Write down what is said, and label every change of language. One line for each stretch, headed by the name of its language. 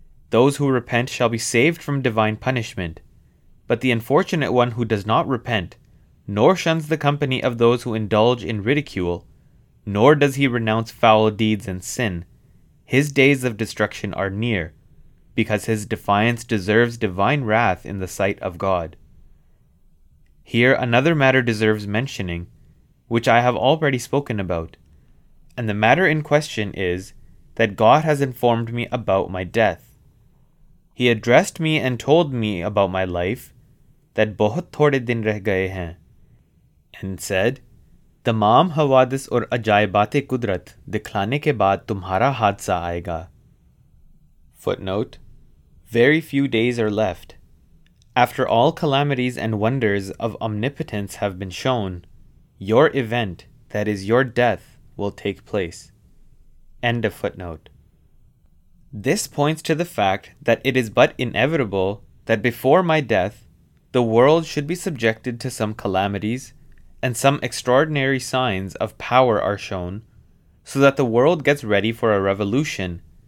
English: Those who repent shall be saved from divine punishment, but the unfortunate one who does not repent, nor shuns the company of those who indulge in ridicule, nor does he renounce foul deeds and sin, his days of destruction are near, because his defiance deserves divine wrath in the sight of God. Here another matter deserves mentioning, which I have already spoken about, and the matter in question is that God has informed me about my death. He addressed me and told me about my life, that
Urdu: بہت تھوڑے دن رہ گئے ہیں,
English: and said,
Urdu: تمام حوادث اور عجائباتِ قدرت دکھلانے کے بعد تمہارا حادثہ آئے گا۔
English: Footnote. Very few days are left. After all calamities and wonders of omnipotence have been shown, your event, that is your death, will take place. End of footnote. This points to the fact that it is but inevitable that before my death, the world should be subjected to some calamities and some extraordinary signs of power are shown, so that the world gets ready for a revolution.